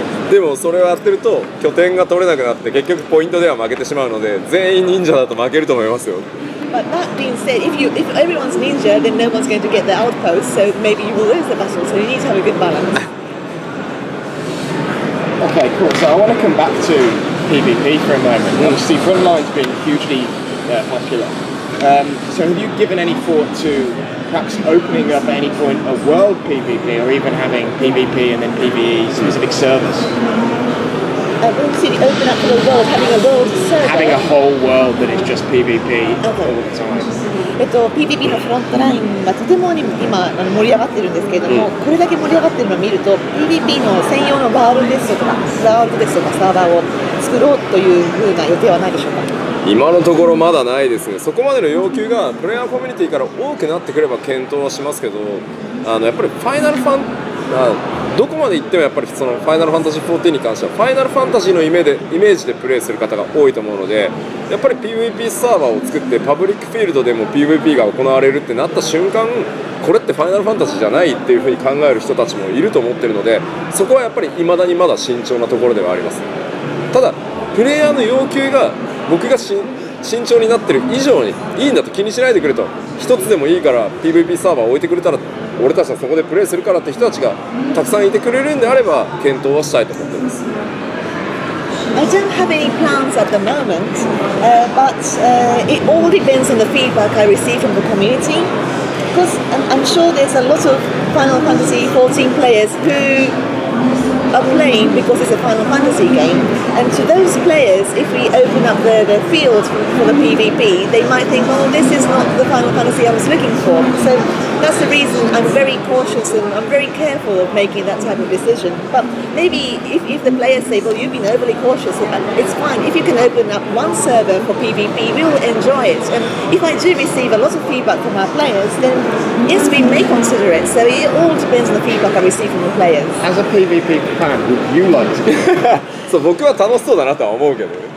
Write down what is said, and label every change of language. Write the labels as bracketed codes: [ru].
[ja] でもそれをやってると拠点が取れなくなって結局ポイントでは負けてしまうので全員忍者だと負けると思いますよ。 [en] But that being said, if everyone's ninja, then no one's going to get the outpost. So maybe you will lose the battle. So you need to have a good balance. Okay, cool. So I want to come back to PvP for a moment. Obviously, frontline's been hugely. Popular. So have you given any thought to perhaps opening up at any point a world PvP or even having PvP and then PvE specific servers? Open up the world, having a world server? Having a whole world that is just PvP all the time. [ja] PVP のフロントラインがとても今盛り上がっているんですけれども、これだけ盛り上がっているのを見ると PVP の専用のワールドですとかサーバーですとかサーバーを作ろうというふうな予定はないでしょうか。今のところまだないですね。そこまでの要求がプレイヤーコミュニティから多くなってくれば検討はしますけど、やっぱりファイナルファンどこまで行ってもやっぱりそのファイナルファンタジー14に関してはファイナルファンタジーのイメージでプレイする方が多いと思うので、やっぱり PVP サーバーを作ってパブリックフィールドでも PVP が行われるってなった瞬間、これってファイナルファンタジーじゃないっていう風に考える人たちもいると思ってるので、そこはやっぱり未だにまだ慎重なところではあります。ただプレイヤーの要求が僕が慎重になってる以上にいいんだと、気にしないでくれと、一つでもいいから PVP サーバー置いてくれたら俺たちはそこでプレイするからって人たちがたくさんいてくれるんであれば検討はしたいと思っています。 [en] I don't have any plans at the moment, but it all depends on the feedback I receive from the community, because I'm sure there's a lot of Final Fantasy 14 players who are playing because it's a Final Fantasy game, and to those players, if we open up the field for the PvP, they might think, well, this is not the Final Fantasy I was looking for. SoThat's the reason I'm very cautious and I'm very careful of making that type of decision. But maybe if the players say, well, you've been overly cautious, it's fine. If you can open up one server for PvP, we'll enjoy it. And if I do receive a lot of feedback from our players, then yes, we may consider it. So it all depends on the feedback I receive from the players. As a PvP fan, would you like to? [ja] So 僕は楽しそうだなとは思うけど。